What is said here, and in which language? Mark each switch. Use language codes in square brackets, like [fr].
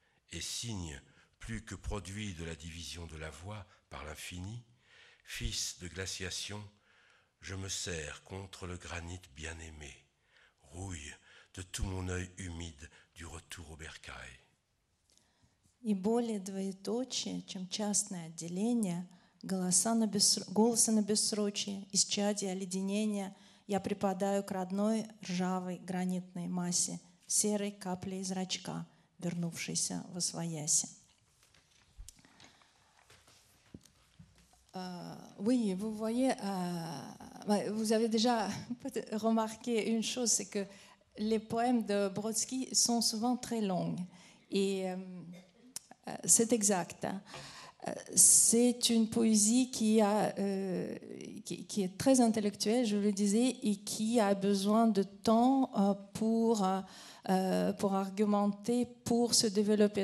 [fr] Et signe, plus que produit de la division de la voix par l'infini, fils de glaciation, je me serre contre le granit bien-aimé, rouille de tout mon œil humide du retour au bercail. [ru] И более двоеточие, чем частное отделение, голоса на голоса на бессрочие, исчадие оледенения, я припадаю к родной ржавой гранитной массе, серой каплей зрачка, вернувшейся в освояси. [fr] Oui, vous voyez, vous avez déjà remarqué une chose, c'est que les poèmes de Brodsky sont souvent très longs. Et c'est exact. Hein. C'est une poésie qui est très intellectuelle, je le disais, et qui a besoin de temps pour argumenter, pour se développer.